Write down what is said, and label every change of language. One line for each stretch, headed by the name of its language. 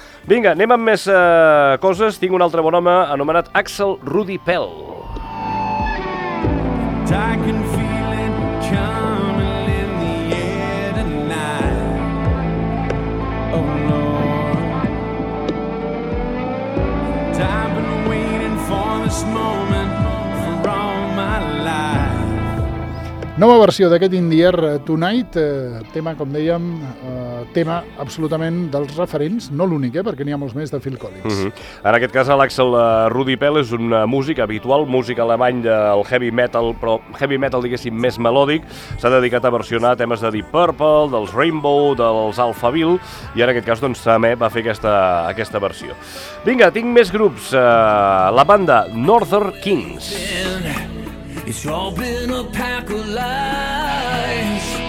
Catalan: Vinga, anem amb més coses. Tinc un altre bon home anomenat Axel Rudi Pell.
English: I can feel it coming in the air tonight. Oh Lord, I've been waiting for this moment for all my life.
Catalan: Nova versió d'aquest In the Air Tonight, tema, com dèiem, tema absolutament dels referents, no l'únic, perquè n'hi ha molts més de Phil Collins. Mm-hmm. En aquest cas, l'Axel Rudi Pell és un músic habitual, músic alemany del heavy metal, però heavy metal, diguéssim, més melòdic. S'ha dedicat a versionar temes de Deep Purple, dels Rainbow, dels Alphaville, i en aquest cas, doncs, també va fer aquesta versió. Vinga, tinc més grups. La banda Northern Kings.
English: It's all been a pack of lies.